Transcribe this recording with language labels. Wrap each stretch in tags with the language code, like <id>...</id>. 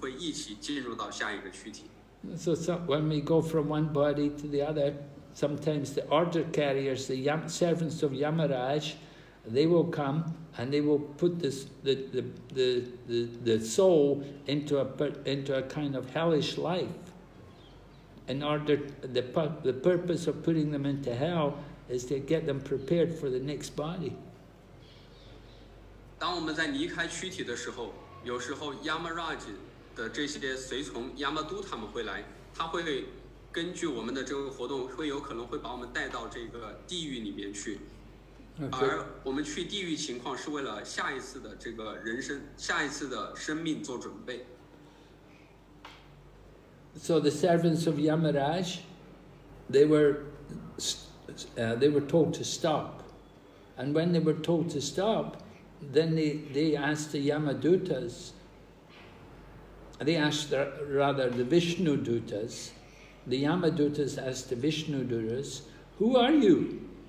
<zh>离开躯体的那个时候，我们的灵魂和超灵会一起进入到下一个躯体。So</zh> <en>when we go from one body to the other, sometimes the order carriers, the servants of Yamaraj, they will come and they will put the soul into a kind of hellish life. In order, the purpose of putting them into hell is to get them prepared for the next body.</en> <zh>当我们在离开躯体的时候，有时候 Yamaraj 的这些随从 Yamadu 他们会来，他会根据我们的这个活动，会有可能会把我们带到这个地狱里面去。而我们去地狱情况是为了下一次的这个人生，下一次的生命做准备。So</zh> <en>the servants of Yamaraj, they were told to stop, and when they were told to stop. Then they asked the Yamadutas, the Vishnu Dutas, the Yamadutas asked the Vishnu Dutas, who are you?</en>